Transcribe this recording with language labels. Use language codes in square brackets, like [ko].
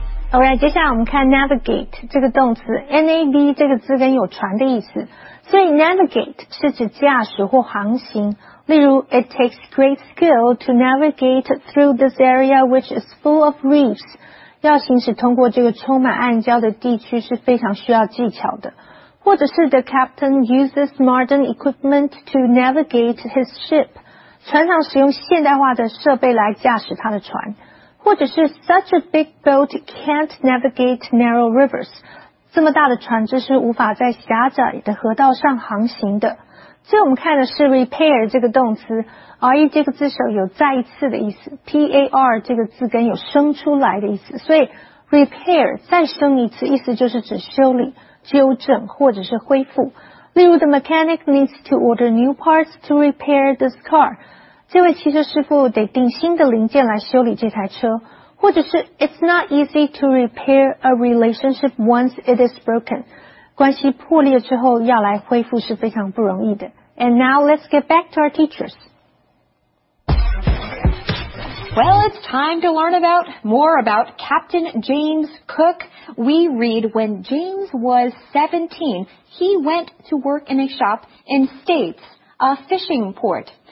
[en] Alright, [zh] 接下来我们看 navigate 这个动词 ,NAV 这个字根有船的意思。所以 navigate 是指驾驶或航行。例如 [en] ,it takes great skill to navigate through this area which is full of reefs. [zh] 要行驶通过这个充满暗礁的地区是非常需要技巧的。或者是 [en] the captain uses modern equipment to navigate his ship. [zh] 船长使用现代化的设备来驾驶他的船。或者是 [en] such a big boat can't navigate narrow rivers. [zh] 这么大的船只是无法在狭窄的河道上航行的。所以我们看的是 repair 这个动词 ,re 这个字首有再一次的意思 ,par 这个字根有生出来的意思。所以 repair 再生一次意思就是指修理、纠正或者是恢复。例如 [en] the mechanic needs to order new parts to repair this car. [zh] 这位汽车师傅得订新的零件来修理这台车，或者是 [en] It's not easy to repair a relationship once it is broken. [zh] 关系破裂之后要来恢复是非常不容易的。 [en] And now let's get back to our teachers. Well, it's time to learn about more about Captain James Cook. We read when James was 17, he went to work in a shop in States, a fishing port.